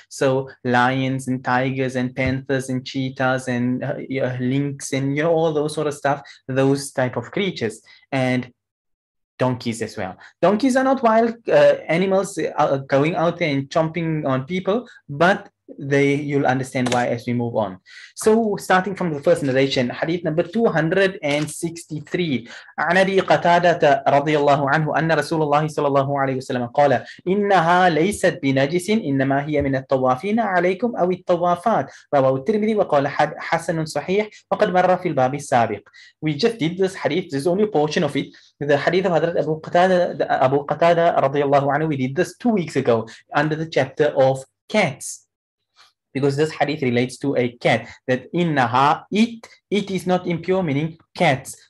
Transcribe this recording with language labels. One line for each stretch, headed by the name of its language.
English: So lions and tigers and panthers and cheetahs and lynx and all those sort of stuff, those type of creatures. And donkeys as well. Donkeys are not wild animals going out there and chomping on people, but you'll understand why as we move on. So starting from the first narration, hadith number 263.
Arabic: عن أبي قتادة رضي الله عنه أن رسول الله صلى الله عليه وسلم قال إنها ليست بنجس إنما هي من الطوافين عليكم أو الطوافات. رواه الترمذي وقال حسن صحيح وقد مر في الباب السابق.
English: We just did this hadith. This is only a portion of it. The hadith of Hadrat Abu Qatada
Arabic: رضي الله عنه,
English: we did this 2 weeks ago under the chapter of cats, because this hadith relates to a cat, that innaha, it is not impure, meaning cats.